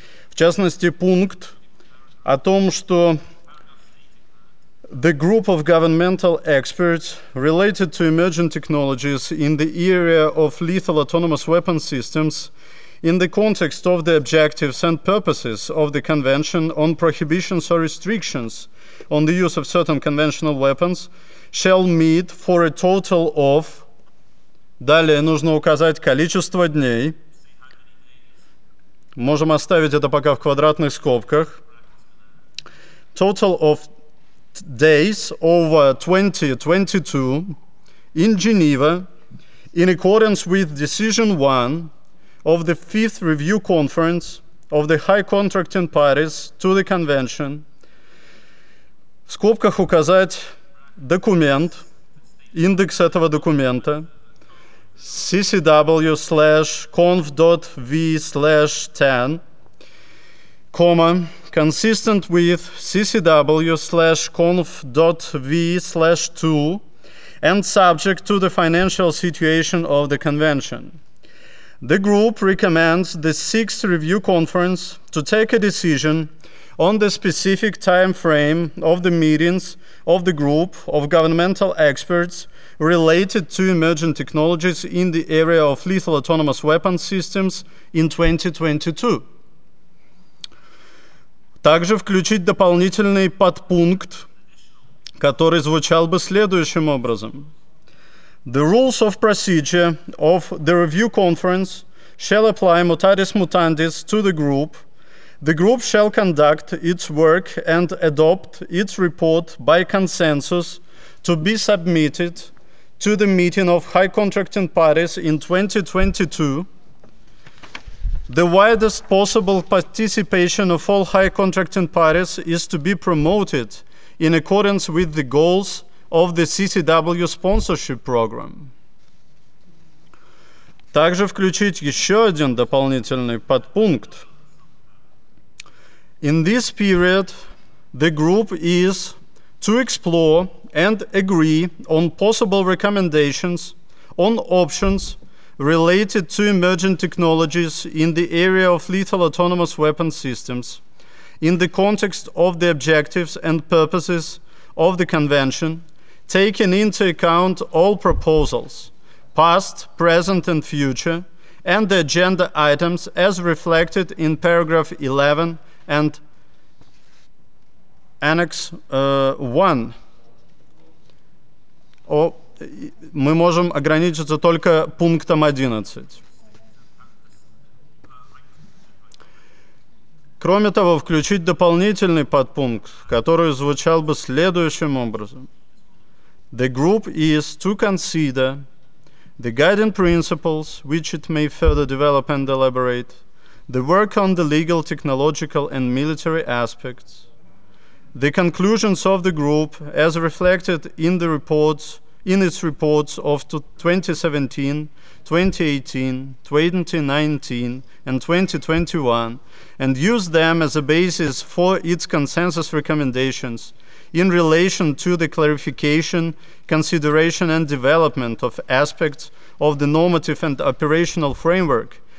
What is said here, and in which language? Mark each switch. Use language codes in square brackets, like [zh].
[ru] В частности, пункт о том, что [en] «The group of governmental experts related to emerging technologies in the area of lethal autonomous weapon systems in the context of the objectives and purposes of the Convention on Prohibitions or Restrictions on the Use of Certain Conventional Weapons shall meet for a total of...» [ru] Далее нужно указать количество дней. Можем оставить это пока в квадратных скобках. [en] Total of days over 2022 in Geneva in accordance with Decision 1 of the Fifth Review Conference of the High Contracting Parties to the Convention. [ru] В скобках указать документ, индекс этого документа, [en] ccw/conf.v/10, comma, consistent with ccw/conf.v/2 and subject to the financial situation of the Convention. The group recommends the Sixth Review Conference to take a decision on the specific time frame of the meetings of the group of governmental experts related to emerging technologies in the area of lethal autonomous weapon systems in 2022. [ru] Также включить дополнительный подпункт, который звучал бы следующим образом. [en] The rules of procedure of the review conference shall apply mutatis mutandis to the group. The group shall conduct its work and adopt its report by consensus to be submitted to the meeting of high contracting parties in 2022. The widest possible participation of all high contracting parties is to be promoted in accordance with the goals of the CCW sponsorship program. [ru] Также включить еще один дополнительный подпункт. [en] In this period, the group is to explore and agree on possible recommendations on options related to emerging technologies in the area of lethal autonomous weapon systems in the context of the objectives and purposes of the convention, taking into account all proposals, past, present, and future, and the agenda items as reflected in paragraph 11 and annex 1. [ru] Мы можем ограничиться только пунктом 11. Кроме того, включить дополнительный подпункт, который звучал бы следующим образом. [en] The group is to consider the guiding principles which it may further develop and elaborate, the work on the legal, technological, and military aspects, the conclusions of the group as reflected in the reports, in its reports of 2017, 2018, 2019, and 2021, and use them as a basis for its consensus recommendations in relation to the clarification, consideration, and development of aspects of the normative and operational framework